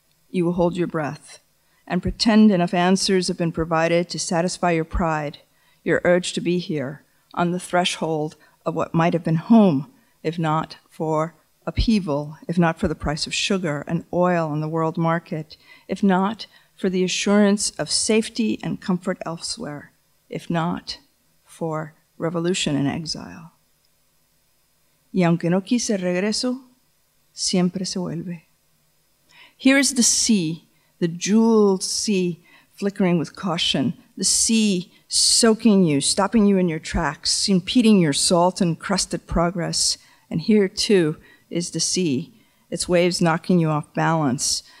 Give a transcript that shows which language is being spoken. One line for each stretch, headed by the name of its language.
English: You will hold your breath and pretend enough answers have been provided to satisfy your pride, your urge to be here, on the threshold of what might have been home, if not for upheaval, if not for the price of sugar and oil on the world market, if not for the assurance of safety and comfort elsewhere, if not for revolution and exile.
Spanish: Y aunque no quise regreso, siempre se vuelve.
English: Here is the sea, the jeweled sea, flickering with caution, the sea soaking you, stopping you in your tracks, impeding your salt encrusted progress. And here, too, is the sea, its waves knocking you off balance.